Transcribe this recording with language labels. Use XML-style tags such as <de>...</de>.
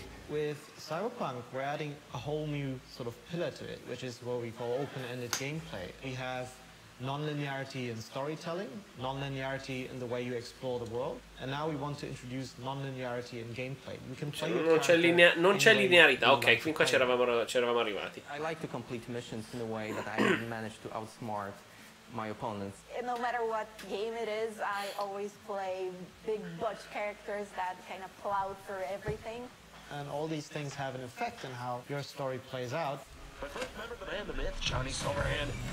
<en>With Cyberpunk, we're adding a whole new sort of pillar to it, which is what we call open-ended gameplay. We have non-linearity in storytelling, non-linearity in the way you explore the world, and now we want to introduce non-linearity in gameplay. You can play</en> <it>non c'è linearità, ok, fin qua c'eravamo arrivati.</it> <en>I like to complete missions in a way that I didn't manage to outsmart my opponents. No matter what game it is, I always play big butch characters that kind of plow through everything. And all these things have an effect on how your story plays out. My first member of the band, the myth, Johnny Silverhand.</en>